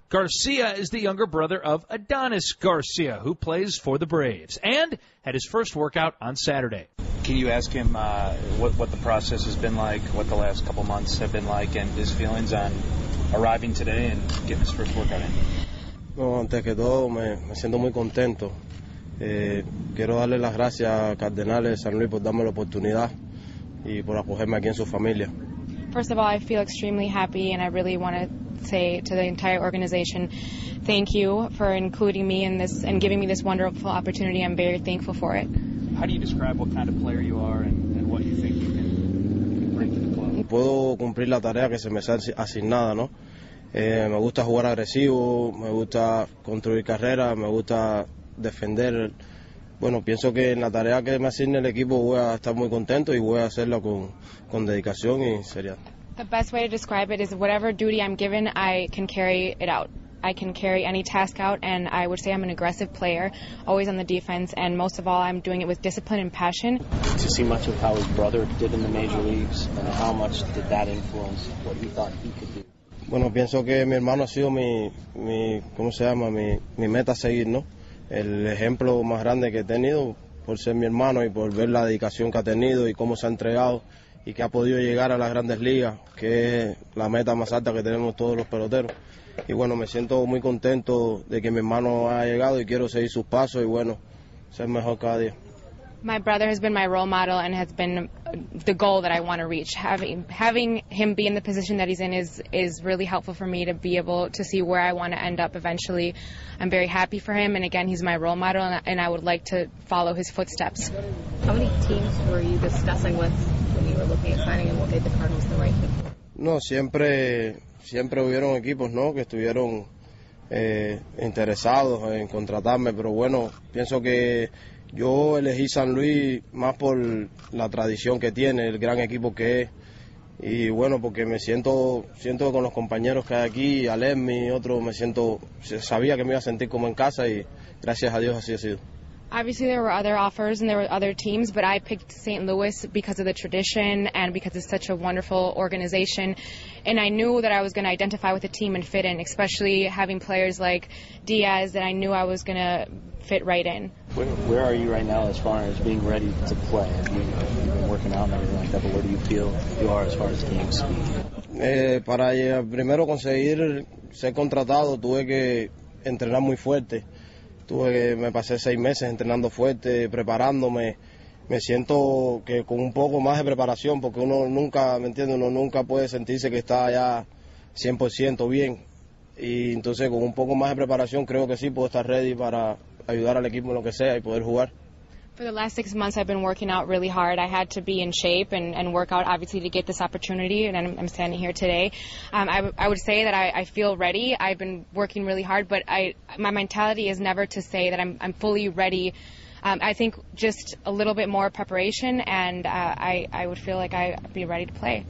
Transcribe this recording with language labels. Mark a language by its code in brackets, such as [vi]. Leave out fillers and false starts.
[en] Garcia is the younger brother of Adonis Garcia, who plays for the Braves and had his first workout on Saturday. Can you ask him what the process has been like, what the last couple months have been like, and his feelings on arriving today and getting his first workout in? [es] No, antes que todo, me siento muy contento. Quiero darle las gracias a Cardenales San Luis por darme la oportunidad y por acogerme aquí en su familia. [en] First of all, I feel extremely happy, and I really want to say to the entire organization, thank you for including me in this and giving me this wonderful opportunity. I'm very thankful for it. How do you describe what kind of player you are and what you think you can bring to the club? [es] Puedo cumplir la tarea que se me ha asignada, ¿no? Me gusta jugar agresivo, me gusta construir carrera, me gusta defender. Bueno, pienso que en la tarea que me asigne el equipo voy a estar muy contento y voy a hacerlo con dedicación y seriedad. [en] The best way to describe it is whatever duty I'm given, I can carry it out. I can carry any task out, and I would say I'm an aggressive player, always on the defense, and most of all, I'm doing it with discipline and passion. To see much of how his brother did in the major leagues, and how much did that influence what he thought he could do? [es] Bueno, pienso que mi hermano ha sido mi ¿cómo se llama? Mi meta a seguir, ¿no? El ejemplo más grande que he tenido por ser mi hermano y por ver la dedicación que ha tenido y cómo se ha entregado y que ha podido llegar a las grandes ligas, que es la meta más alta que tenemos todos los peloteros. Y bueno, me siento muy contento de que mi hermano haya llegado y quiero seguir sus pasos y bueno, ser mejor cada día. [en] My brother has been my role model and has been the goal that I want to reach. Having him be in the position that he's in is really helpful for me to be able to see where I want to end up eventually. I'm very happy for him, and again, he's my role model, and I would like to follow his footsteps. How many teams were you discussing with when you were looking at signing, and what made the Cardinals the right fit? [es] No, siempre hubieron equipos, ¿no?, que estuvieron interesados en contratarme, pero bueno, pienso que yo elegí San Luis más por la tradición que tiene, el gran equipo que es. Y bueno, porque me siento con los compañeros que hay aquí, Alemi y otros, me siento, sabía que me iba a sentir como en casa y gracias a Dios así ha sido. [en] Obviously there were other offers and there were other teams, but I picked St. Louis because of the tradition and because it's such a wonderful organization. And I knew that I was going to identify with the team and fit in, especially having players like Diaz that I knew I was going to fit right in. Where are you right now as far as being ready to play? I mean, you've been working out and everything like that, but where do you feel you are as far as game speed? [es] Para primero conseguir ser contratado tuve que entrenar muy fuerte. Me pasé 6 meses entrenando fuerte, preparándome. Me siento que con un poco más de preparación, porque uno nunca, ¿me entiendes? Uno nunca puede sentirse que está ya 100% bien. Y entonces con un poco más de preparación creo que sí puedo estar [en] ready [es] para ayudar al equipo en lo que sea y poder jugar. [en] For the last 6 months I've been working out really hard. I had to be in shape and work out obviously to get this opportunity, and I'm standing here today. I would say that I feel ready. I've been working really hard, but my mentality is never to say that I'm fully ready. I think just a little bit more preparation, and I would feel like I'd be ready to play.